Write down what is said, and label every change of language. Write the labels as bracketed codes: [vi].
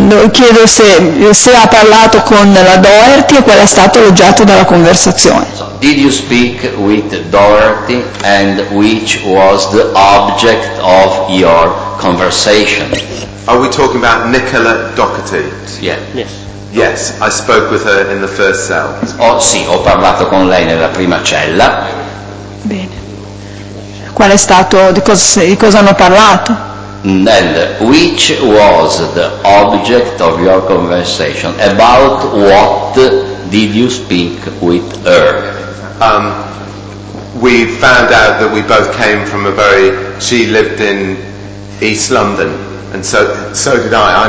[it] Chiedo se ha parlato con la Doherty e qual è stato elogiato dalla conversazione. [en] So, did you speak with Doherty and which was the object of your conversation? Are we talking about Nicola Doherty? Yeah. Yes. Yes, I spoke with her in the first cell. [it] Oh sì, ho parlato con lei nella prima cella. Bene. Qual è stato, di cosa hanno parlato? [en] And which was the object of your conversation? About what did you speak with her? We found out that we both came from a very... She lived in East London, and so did I.